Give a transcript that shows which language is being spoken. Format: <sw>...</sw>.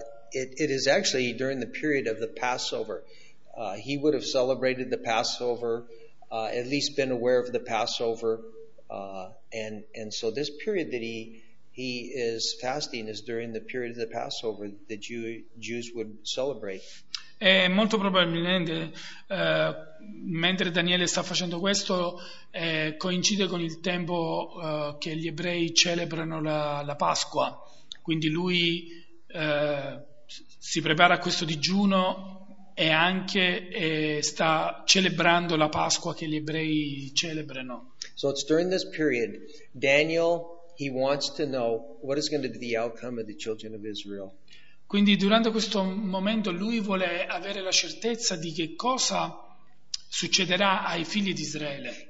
<en>It is actually during the period of the Passover. He would have celebrated the Passover, at least been aware of the Passover, and so this period that he is fasting is during the period of the Passover that the Jews would celebrate.</en> <it>E molto probabilmente mentre Daniele sta facendo questo coincide con il tempo che gli ebrei celebrano la Pasqua, quindi lui si prepara a questo digiuno e anche sta celebrando la Pasqua che gli ebrei celebrano.</it> <en>So it's during this period Daniel, he wants to know what is going to be the outcome of the children of Israel.</en> <it>Quindi durante questo momento lui vuole avere la certezza di che cosa succederà ai figli di Israele.</it>